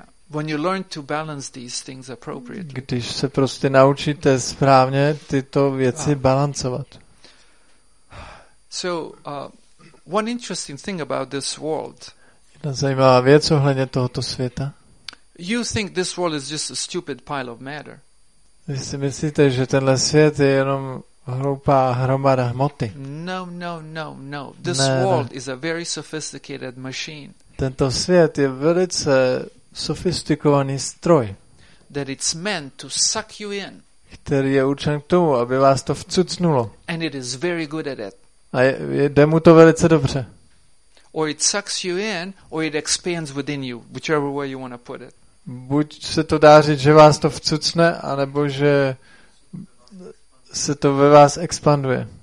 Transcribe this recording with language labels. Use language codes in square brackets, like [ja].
[en] When you learn to balance these things appropriately. [cs] Když se prostě naučíte správně tyto věci balancovat. [en] So, one interesting thing about this world. [cs] Jedna zajímavá věc ohledně tohoto světa. [en] You think this world is just a stupid pile of matter. [cs] Vy si myslíte, že tenhle svět je jenom hloupá hromada hmoty. [en] No. This world is a very sophisticated machine. [cs] Tento svět je velice sofistikovaný stroj, [en] that it's meant to suck you in, [cs] který je určen k tomu, aby vás to vcucnulo. [en] And it is very good at it. [cs] A jde mu to velice dobře. [en] Or it sucks you in, or it expands within you, whichever way you want to put it. [cs] Buď se to dá říct, že vás to vcucne, anebo že se to ve vás expanduje.